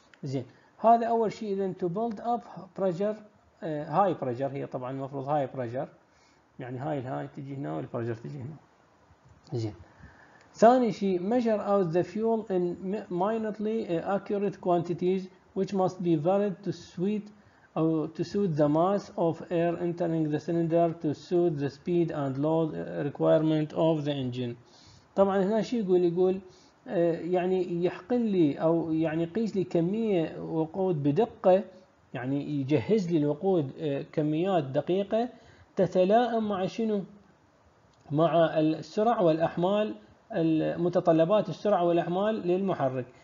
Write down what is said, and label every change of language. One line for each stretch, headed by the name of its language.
Arabic: زين هذا اول شيء، اذا
English: to build up pressure high pressure,
Arabic: هي طبعا المفروض هاي بريشر، يعني هاي تجي هنا والبريشر تجي هنا. زين ثاني شيء،
English: measure out the fuel in minutely accurate quantities which must be varied to suit or to suit the mass of air entering the cylinder to suit the speed and load requirement of the engine.
Arabic: طبعا هنا شيء يقول يعني يحقن لي او يعني يقيس لي كميه وقود بدقه، يعني يجهز لي الوقود كميات دقيقه تتلائم مع شنو؟ مع السرعه والاحمال، المتطلبات السرعة والأحمال للمحرك.